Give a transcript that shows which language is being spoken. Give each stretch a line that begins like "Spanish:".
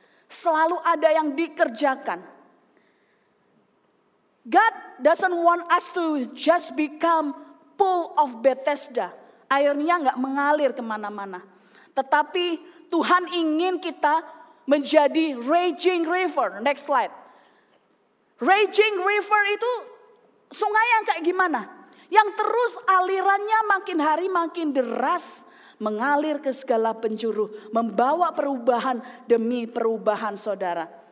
Indonesian: Selalu ada yang dikerjakan.
English: God doesn't want us to just become pool of Bethesda.
Indonesian: Airnya gak mengalir kemana-mana. Tetapi Tuhan ingin kita menjadi raging river.
English: Next slide.
Indonesian: Raging river itu sungai yang kayak gimana? Yang terus alirannya makin hari makin deras, mengalir ke segala penjuru, membawa perubahan demi perubahan, saudara.